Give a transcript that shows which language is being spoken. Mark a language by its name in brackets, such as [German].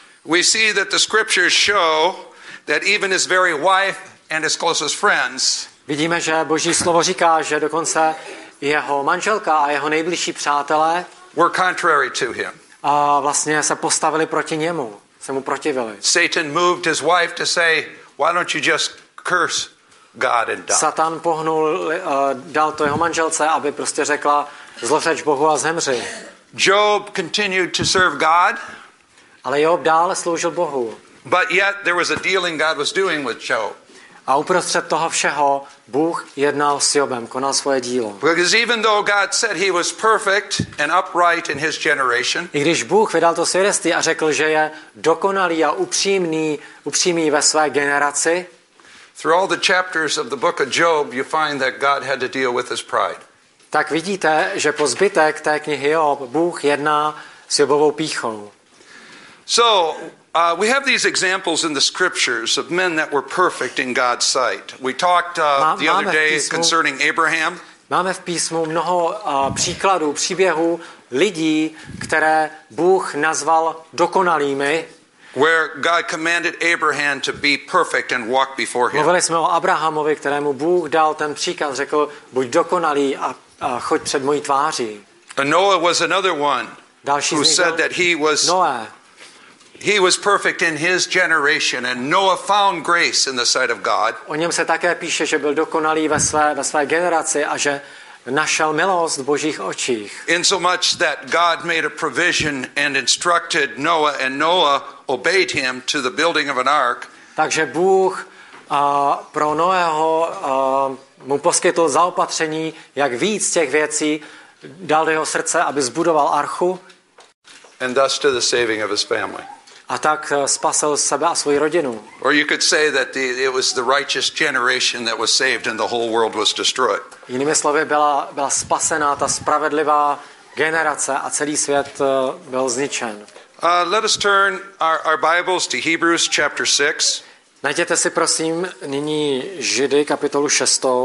[English] We see that the scriptures show that even his very wife and his closest friends. [Czech] Vidíme, že Boží slovo říká, že dokonce jeho manželka a jeho nejbližší přátelé [English] were contrary to him. [Czech] A vlastně se postavili proti němu, se mu protivili. [English] Satan moved his wife to say, why don't you just curse God and die? [Czech] Satan pohnul, dal to jeho manželce, aby prostě řekla, zlořeč Bohu a zemři. [English] Job continued to serve God. [Czech] Ale Job dál sloužil Bohu. [English] But yet there was a dealing God was doing with Job. [Czech] A uprostřed toho všeho Bůh jednal s Jobem, konal svoje dílo. [English] Because even though God said he was perfect and upright in his generation, [Czech] i když Bůh vydal to svědectví a řekl, že je dokonalý a upřímný ve své generaci, [English] through all the chapters of the book of Job, you find that God had to deal with his pride. [Czech] Tak vidíte, že po zbytek té knihy Job Bůh jedná s Jobovou pýchou. [English] So we have these examples in the scriptures of men that were perfect in God's sight. We talked the other day concerning Abraham. [Czech] Máme v písmu mnoho příkladů, příběhů lidí, které Bůh nazval dokonalými. [English] Where God commanded Abraham to be perfect and walk before him. [Czech] Mluvili jsme o Abrahamovi, kterému Bůh dal ten příkaz, řekl, buď dokonalý a choď před mojí tváří. [English] And Noah was another one who said that he was Noah. He was perfect in his generation and Noah found grace in the sight of God. [Czech] O něm se také píše, že byl dokonalý ve své generaci a že našel milost v Božích očích. [English] In so much that God made a provision and instructed Noah and Noah obeyed him to the building of an ark. [Czech] Takže Bůh pro Noého mu poskytl zaopatření, jak víc těch věcí dal do jeho srdce, aby zbudoval archu. [English] and thus to the saving of his family. [Czech] A tak spasil sebe a svoji rodinu. [English] Or you could say that it was the righteous generation that was saved and the whole world was destroyed. [Czech] Jinými slovy, byla spasená ta spravedlivá generace a celý svět byl zničen. [English] Let us turn our Bibles to Hebrews chapter 6. [Czech] Najděte si prosím nyní Židy kapitolu 6.